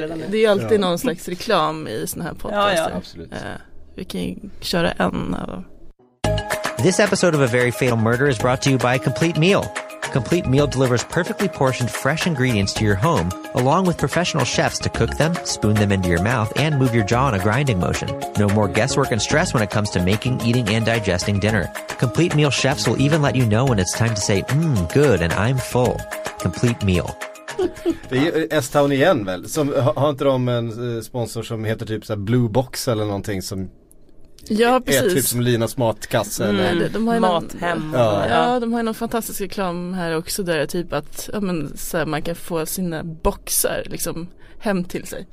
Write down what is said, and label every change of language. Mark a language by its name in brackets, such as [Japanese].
[Swedish] Det är alltid någon slags reklam i såna här podcaster. Ja, ja. Vi kan köra en av dem. [English] This episode of A Very Fatal Murder is brought to you by Complete Meal. Complete Meal delivers perfectly portioned fresh ingredients to your home, along with professional chefs to cook them, spoon them into your mouth, and move your jaw in a grinding motion. No more guesswork and stress when it comes to making, eating, and digesting dinner. Complete Meal chefs will even let you know when it's time to say, good, and I'm full. Complete Meal. [Swedish] Det är S-Town igen väl? Har inte de en sponsor som heter typ så här Blue Box eller någonting som... Ja, precis. Är typ som Linas matkasse eller Mathem. Ja, de har ju någon fantastisk reklam här också där det är typ att, ja, men, så här, man kan få sina boxar liksom hem till sig.